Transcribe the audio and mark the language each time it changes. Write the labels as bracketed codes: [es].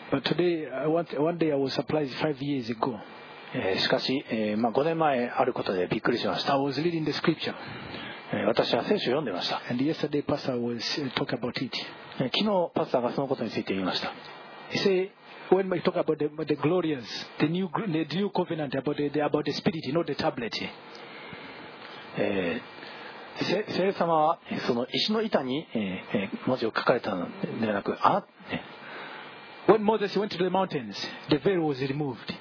[en] But today, one day I was surprised 5 years ago [ja] しかし、まあ、5年前あることでびっくりしました。 [en] I was reading the scripture. [ja] 私は聖書を読んでました。 [en] And yesterday, Pastor was talk about it. [ja] 昨日パスターがそのことについて言いました。 [en] He said, when we talk about the glorious, the new covenant about the spirit, not the tablet. [ja] 聖霊様はその石の板に、文字を書かれたのではなく、あ、ね、 [en] When Moses went to the mountains, the veil was removed.